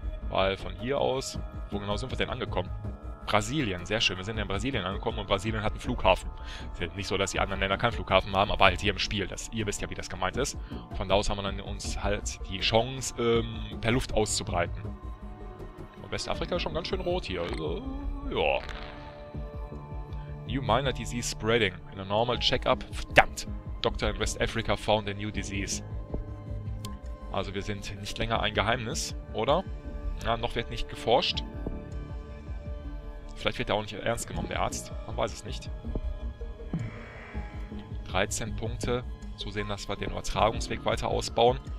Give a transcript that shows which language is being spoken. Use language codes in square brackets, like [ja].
[de] Weil von hier aus, wo genau sind wir denn angekommen? Brasilien, sehr schön. Wir sind in Brasilien angekommen und Brasilien hat einen Flughafen. Es ist nicht so, dass die anderen Länder keinen Flughafen haben, aber halt hier im Spiel. Das, ihr wisst ja, wie das gemeint ist. Von da aus haben wir dann uns halt die Chance, per Luft auszubreiten. Und Westafrika ist schon ganz schön rot hier. Also, ja. [en] New minor disease spreading. In a normal check-up. [de] Verdammt. [en] Doctor in West Africa found a new disease. [de] Also wir sind nicht länger ein Geheimnis, oder? Ja, noch wird nicht geforscht. Vielleicht wird er auch nicht ernst genommen, der Arzt. Man weiß es nicht. 13 Punkte. So sehen, dass wir den Übertragungsweg weiter ausbauen.